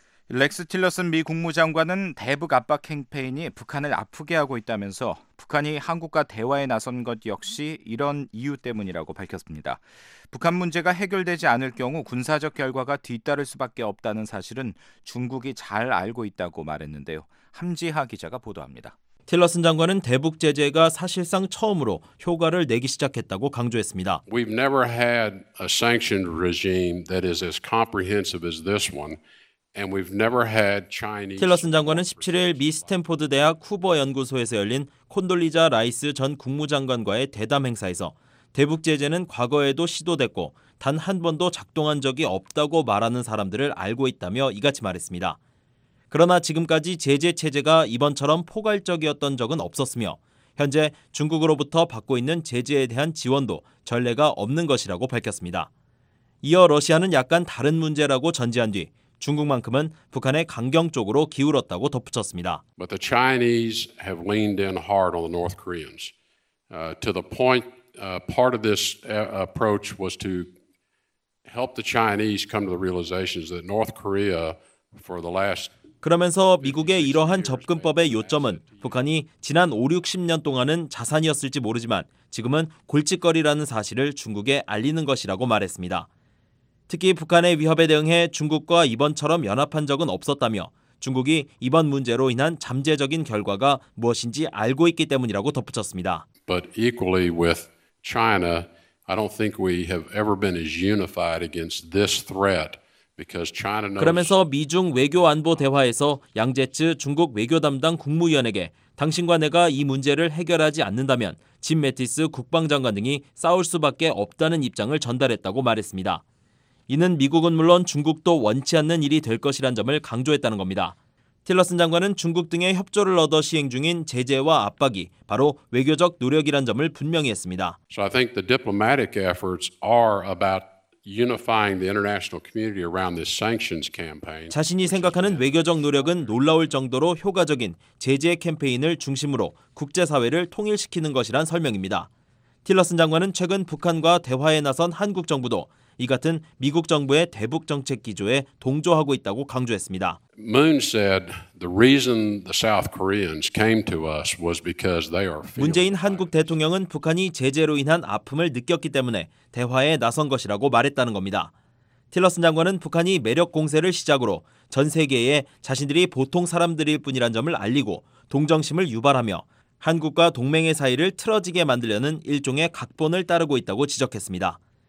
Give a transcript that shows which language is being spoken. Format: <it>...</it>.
<ko>렉스 틸러슨 미 국무장관은 대북 압박 캠페인이 북한을 아프게 하고 있다면서 북한이 한국과 대화에 나선 것 역시 이런 이유 때문이라고 밝혔습니다. 북한 문제가 해결되지 않을 경우 군사적 결과가 뒤따를 수밖에 없다는 사실은 중국이 잘 알고 있다고 말했는데요. 함지하 기자가 보도합니다. 틸러슨 장관은 대북 제재가 사실상 처음으로 효과를 내기 시작했다고 강조했습니다.</ko> <en>We've never had a sanctioned regime that is as comprehensive as this one.</en> <ko>틸러슨 장관은 17일 미 스탠포드 대학 쿠버 연구소에서 열린 콘돌리자 라이스 전 국무장관과의 대담 행사에서 대북 제재는 과거에도 시도됐고 단 한 번도 작동한 적이 없다고 말하는 사람들을 알고 있다며 이같이 말했습니다. 그러나 지금까지 제재 체제가 이번처럼 포괄적이었던 적은 없었으며 현재 중국으로부터 받고 있는 제재에 대한 지원도 전례가 없는 것이라고 밝혔습니다. 이어 러시아는 약간 다른 문제라고 전제한 뒤 중국만큼은 북한의 강경 쪽으로 기울었다고 덧붙였습니다.</ko> <en>But the Chinese have leaned in hard on the North Koreans to the point part of this approach was to help the Chinese come to the realizations that North Korea for the last</en> <ko>그러면서 미국의 이러한 접근법의 요점은 북한이 지난 5, 60년 동안은 자산이었을지 모르지만 지금은 골칫거리라는 사실을 중국에 알리는 것이라고 말했습니다. 특히 북한의 위협에 대응해 중국과 이번처럼 연합한 적은 없었다며 중국이 이번 문제로 인한 잠재적인 결과가 무엇인지 알고 있기 때문이라고 덧붙였습니다.</ko> <en>But equally with China, I don't think we have ever been as unified against this threat because China knows</en> <ko>그러면서 미중 외교 안보 대화에서 양제츠 중국 외교 담당 국무위원에게 당신과 내가 이 문제를 해결하지 않는다면 짐 매티스 국방장관 등이 싸울 수밖에 없다는 입장을 전달했다고 말했습니다. 이는 미국은 물론 중국도 원치 않는 일이 될 것이란 점을 강조했다는 겁니다. 틸러슨 장관은 중국 등의 협조를 얻어 시행 중인 제재와 압박이 바로 외교적 노력이란 점을 분명히 했습니다.</ko> <en>So I think the diplomatic efforts are about unifying the international community around this sanctions campaign.</en> <ko>자신이 생각하는 외교적 노력은 놀라울 정도로 효과적인 제재 캠페인을 중심으로 국제사회를 통일시키는 것이란 설명입니다. 틸러슨 장관은 최근 북한과 대화에 나선 한국 정부도 이 같은 미국 정부의 대북 정책 기조에 동조하고 있다고 강조했습니다.</ko> <en>Moon said the reason the South Koreans came to us was because they are feeling.</en> <ko>문재인 한국 대통령은 북한이 제재로 인한 아픔을 느꼈기 때문에 대화에 나선 것이라고 말했다는 겁니다. 틸러슨 장관은 북한이 매력 공세를 시작으로 전 세계에 자신들이 보통 사람들일 뿐이란 점을 알리고 동정심을 유발하며 한국과 동맹의 사이를 틀어지게 만들려는 일종의 각본을 따르고 있다고 지적했습니다.</ko>